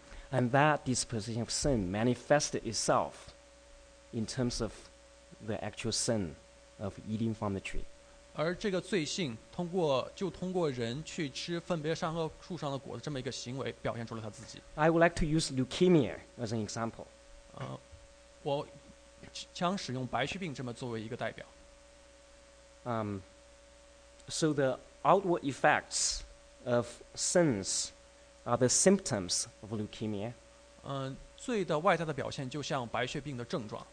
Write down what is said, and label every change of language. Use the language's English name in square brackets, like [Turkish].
[English] And that disposition of sin manifested itself in terms of the actual sin of eating from the tree. [Chinese] 而这个罪性通过就通过人去吃分别善恶树上的果子这么一个行为表现出了他自己。 [English] I would like to use leukemia as an example. [Chinese] 我将使用白血病这么作为一个代表。 [English] So the outward effects of sins are the symptoms of leukemia. [Chinese] 罪的外在的表现就像白血病的症状。